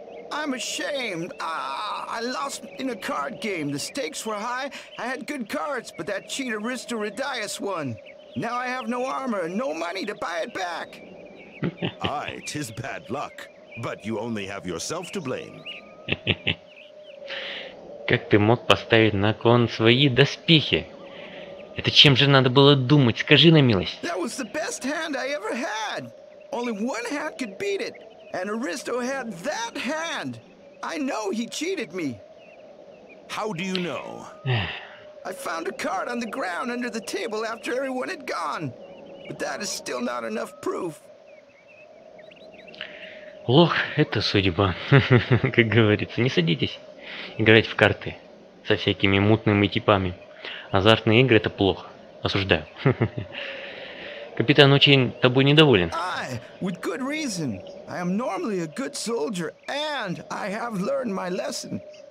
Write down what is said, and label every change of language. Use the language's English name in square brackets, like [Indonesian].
[English] I'm ashamed. I lost in a card game. The stakes were high. I had good cards, but that cheater Ristoridius won. Now I have no armor and no money to buy it back. Aye, 'tis bad luck. But you only have yourself to blame. [Russian] Как ты мог поставить на кон свои доспехи? Это чем же надо было думать, скажи на милость. [English] That was the best hand I ever had. Only one hand could beat it. And Aristo had that hand. I know he cheated me. How do you know? I found a card on the ground under the table after everyone had gone. But that is still not enough proof. [Russian] Лох, это судьба. Как говорится, не садитесь играть в карты со всякими мутными типами. Азартные игры — это плохо. Осуждаю. Капитан очень тобой недоволен. [English] I, with good reason. I am normally a good soldier, and I have learned my lesson.